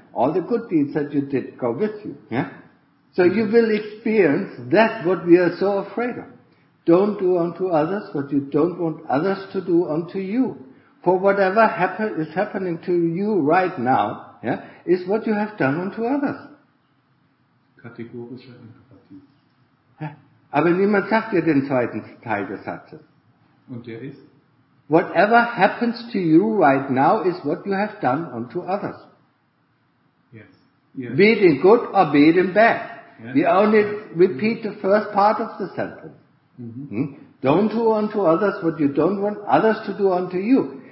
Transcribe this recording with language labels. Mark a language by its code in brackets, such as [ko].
[en] All the good deeds that you did, go with you, yeah? So you will experience that what we are so afraid of. Don't do unto others what you don't want others to do unto you. For whatever is happening to you right now, yeah, is what you have done unto others. [de] Kategorische Empathie. Aber niemand sagt dir den zweiten Teil des Satzes. Und der ist? [en] Whatever happens to you right now is what you have done unto others. Yes. Yes. Be it in good or be it in bad. Yes. We only repeat the first part of the sentence. Mm-hmm. Hmm? Don't do unto others what you don't want others to do unto you.